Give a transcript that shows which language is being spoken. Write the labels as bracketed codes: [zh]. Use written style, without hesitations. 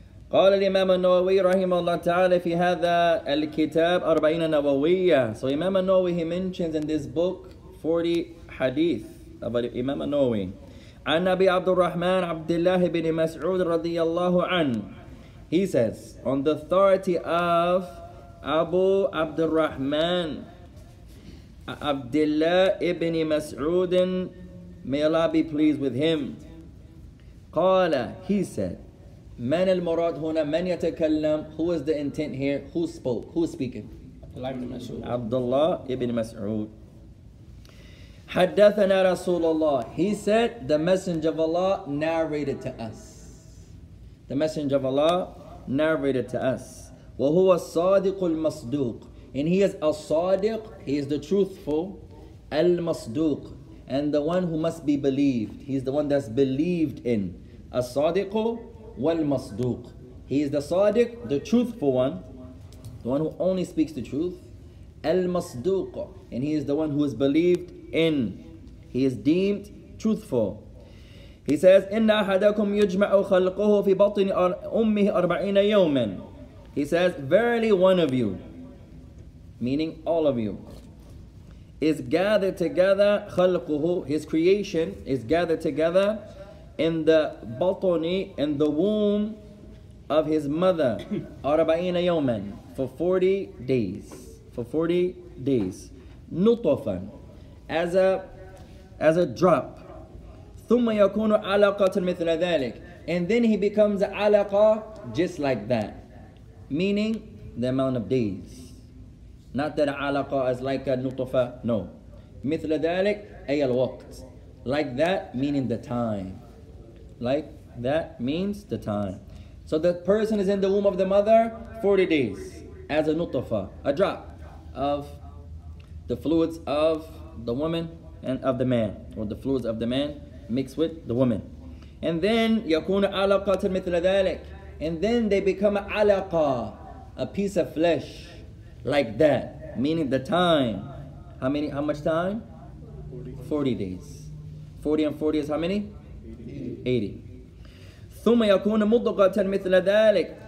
[ar] قال الإمام النووي رحمه الله تعالى في هذا الكتاب 40 نووية. [en] So Imam al-Nawawi, he mentions in this book 40 hadith about Imam al-Nawawi. [ar] عن أبي عبد الرحمن عبد الله بن مسعود رضي الله عنه. [en] He says, on the authority of Abu عبد الرحمن عبد الله بن مسعود, may Allah be pleased with him. قال, he said, [ar] من المراد هنا, من يتكلم, [en] who is the intent here, who spoke, who is speaking? [ar] عبد الله بن مسعود. حدثنا رسول الله, [en] he said, the messenger of Allah narrated to us. The messenger of Allah narrated to us. [ar] وهو الصادق المصدوق, [en] and he is الصادق, he is the truthful, المصدوق, and the one who must be believed, he is the one that's believed in. الصادق والمصدوق, He is the Sadiq, the truthful one, the one who only speaks the truth. Al-Masduq, and he is the one who is believed in. He is deemed truthful. He says, [ar] إِنَّ أَحَدَكُمْ يُجْمَعُ خَلْقُهُ فِي بَطْنِ أُمِّهِ 40 يَوْمًا. [en] He says, verily one of you, meaning all of you, is gathered together, خَلْقُهُ, his creation, is gathered together in the batoni, in the womb of his mother, [ar] 40 يَوْمًا, [en] for 40 days. نُطْفًا, as a drop. [ar] ثُمَّ يَكُونُ عَلَقَةً مِثْلَ ذَلِكَ. [en] And then he becomes alaqa, just like that. Meaning, the amount of days. Not that alaqa is like a nutfa, no. [ar] مِثْلَ ذَلِكَ أي الوقت. [en] Like that, meaning the time. Like that means the time. So the person is in the womb of the mother, 40 days. As a nutfa, a drop of the fluids of the woman and of the man. Or the fluids of the man mixed with the woman. And then [ar] يَكُونَ عَلَقَةً مِثْلَ ذَلِكَ. [en] And then they become alaqa, a piece of flesh, like that. Meaning the time. How much time? 40 days. 40 and 40 is how many? 80. [ar] ثُمَّ يَكُونَ مُضْغَةً مِثْلَ ذَلِكَ.